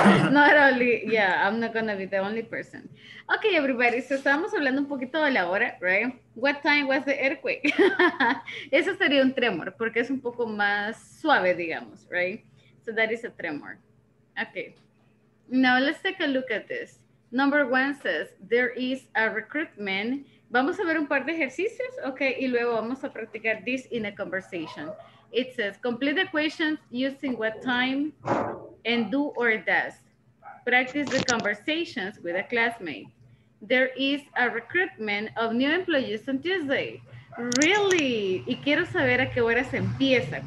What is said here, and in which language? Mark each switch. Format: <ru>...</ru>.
<en>Not only, yeah, I'm not gonna be the only person. Okay, everybody. So,</en> <es>estábamos hablando un poquito de la hora,</es> <en>right? What time was the earthquake?</en> <es>Eso sería un tremor, porque es un poco más suave, digamos,</es> <en>right? So that is a tremor. Okay. Now let's take a look at this. Number one says, there is a recruitment.</en> <es>Vamos a ver un par de ejercicios, okay, y luego vamos a practicar</es> <en>this in a conversation. It says, complete the questions using what time and do or does. Practice the conversations with a classmate. There is a recruitment of new employees on Tuesday. Really?</en> <es>Y quiero saber a qué hora se empieza.</es>